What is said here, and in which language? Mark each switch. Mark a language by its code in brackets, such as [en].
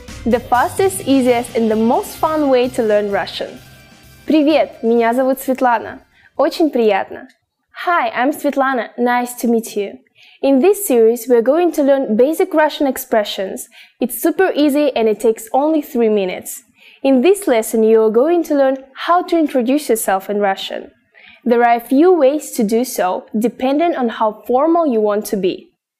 [en] The fastest, easiest and the most fun way to learn Russian. [ru] Привет, меня зовут Светлана. Очень приятно. [en] Hi, I'm Светлана. Nice to meet you. In this series, we're going to learn basic Russian expressions. It's super easy and it takes only 3 minutes. In this lesson, you're going to learn how to introduce yourself in Russian. There are a few ways to do so, depending on how formal you want to be.